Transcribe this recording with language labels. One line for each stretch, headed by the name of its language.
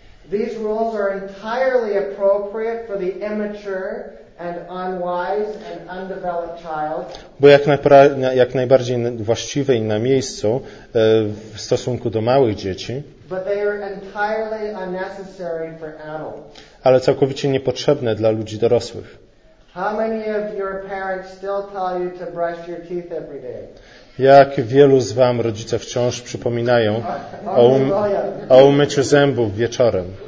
English: These rules are entirely appropriate for the immature and unwise and undeveloped child.
Polish: Bo jak najbardziej właściwe i na miejscu w stosunku do małych dzieci.
English: But they are entirely unnecessary for adults.
Polish: Ale całkowicie niepotrzebne dla ludzi dorosłych.
English: How many of your parents still tell you to brush your teeth every day?
Polish: Jak wielu z wam rodzice wciąż przypominają o umyciu zębów wieczorem?